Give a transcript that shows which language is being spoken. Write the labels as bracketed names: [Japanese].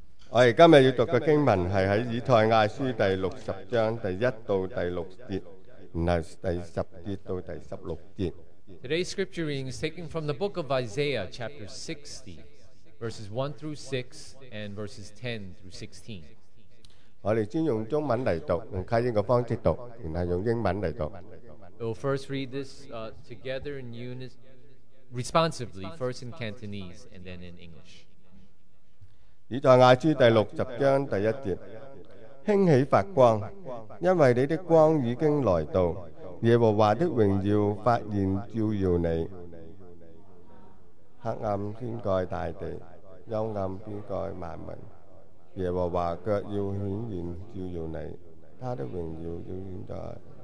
[Chinese] 我们今天要读的经文是在以赛亚书第六十章第一到第六节，然后第十节到第十六节。 [English] Today's scripture reading is taken from the book of Isaiah, chapter 60, verses 1 through 6 and verses 10 through 16. [Chinese] 我们先用中文来读，用卡英的方式读，然后用英文来读。 [English] We'll first read this together in unison, responsively, first in Cantonese and then in English. [Chinese] 以赛亚书第六十章第一节，兴起发光，因为你的光已经来到，耶和华的荣耀发现照耀你。黑暗遍盖大地，幽暗遍盖万民，耶和华却要显现照耀你，他的荣耀要显在。